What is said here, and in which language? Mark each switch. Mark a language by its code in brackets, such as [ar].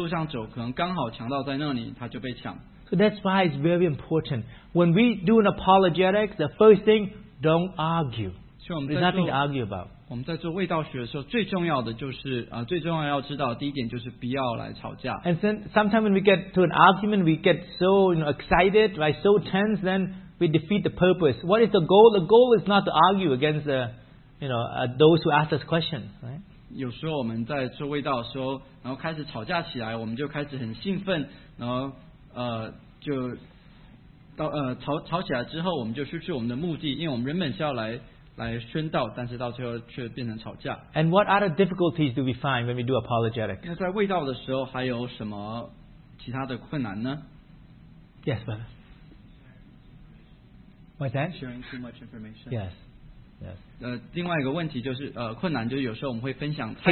[zh] 所以在比喻里面，我们也不晓得为什么这个人会被强盗攻打，因为他只是在路上走，可能刚好强盗在那里，他就被抢。 [en] So that's why it's very important. When we do an apologetics, the first thing, don't argue. There's nothing to argue about. [zh] 我们在做卫道学的时候，最重要的就是最重要要知道，第一点就是不要来吵架。 [en] And then sometimes when we get to an argument, we get so, you know, excited, right, so tense, then we defeat the purpose. What is the goal? The goal is not to argue against the, you know, those who ask us questions, right? [zh] 有时候我们在做卫道的时候，然后开始吵架起来，我们就开始很兴奋，然后 就到吵起来之后，我们就失去我们的目的，因为我们原本是要来宣道，但是到最后却变成吵架。 [en] And what other difficulties do we find when we do apologetics? [zh] 那在卫道的时候还有什么其他的困难呢？ [en] Yes, brother. What's that? Sharing too much information. Yes. Yes. [zh] 另外一个问题就是困难，就是有时候我们会分享太多的。